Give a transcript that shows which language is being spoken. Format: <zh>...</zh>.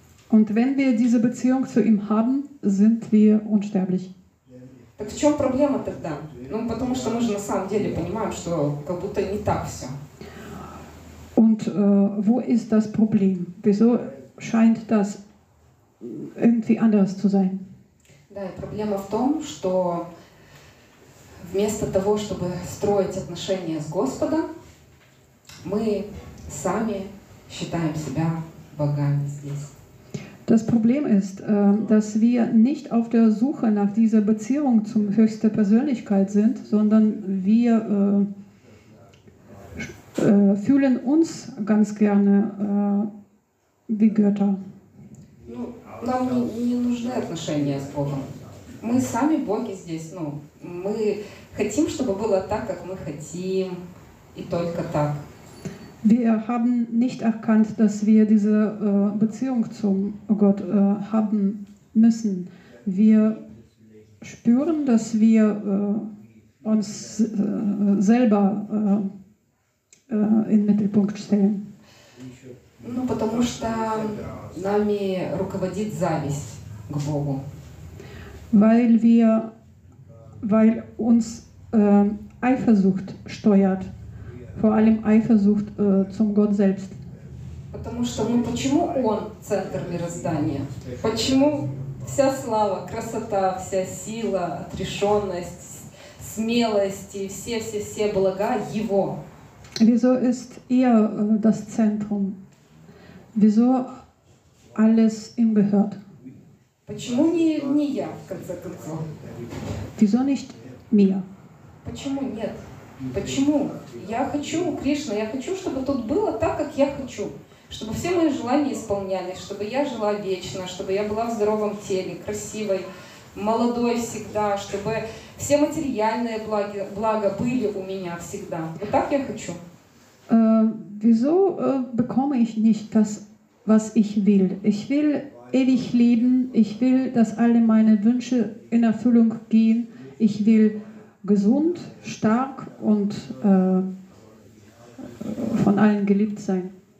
<de>Und wenn wir diese Beziehung zu ihm haben, sind wir unsterblich.</de> <ru>Так в чем проблема тогда? Ну, потому что мы же на самом деле понимаем, что как будто не так все.</ru> <de>Und wo ist das Problem? Wieso scheint das irgendwie anders zu sein?</de> <ru>Да, и проблема в том, что вместо того, чтобы строить отношения с Господом, мы сами считаем себя богами здесь.</ru> <de>Das Problem ist, dass wir nicht auf der Suche nach dieser Beziehung zum höchsten Persönlichkeit sind, sondern wir fühlen uns ganz gerne wie Götter.</de> <ru>Нам не нужны отношения с Богом. Мы сами боги здесь. Ну, мы хотим, чтобы было так, как мы хотим, и только так.</ru> <de>Wir haben nicht erkannt, dass wir diese Beziehung zum Gott haben müssen. Wir spüren, dass wir uns selber in den Mittelpunkt stellen?</de> <ru>Ну, потому что нами руководит зависть к Богу.</ru> <de>Weil wir, weil uns Eifersucht steuert, vor allem Eifersucht zum Gott selbst.</de> <ru>Потому что мы, почему Он центр мироздания? Почему вся слава, красота, вся сила, отрешенность, смелость и все-все-все блага Его?</ru> <de>Wieso ist er das Zentrum? Wieso alles ihm gehört?</de> <ru>Почему не я, в конце концов?</ru> <de>Wieso nicht mir?</de> <ru>Почему нет? Почему? Я хочу, Кришна, я хочу, чтобы тут было так, как я хочу. Чтобы все мои желания исполнялись, чтобы я жила вечно, чтобы я была в здоровом теле, красивой, молодой всегда, чтобы все материальные блага были у меня всегда. Вот так я хочу.</ru> <de>Wieso bekomme ich nicht das, was ich will? Ich will ewig leben, ich will, dass alle meine Wünsche in Erfüllung gehen. Ich will gesund, stark und von allen geliebt sein.</de>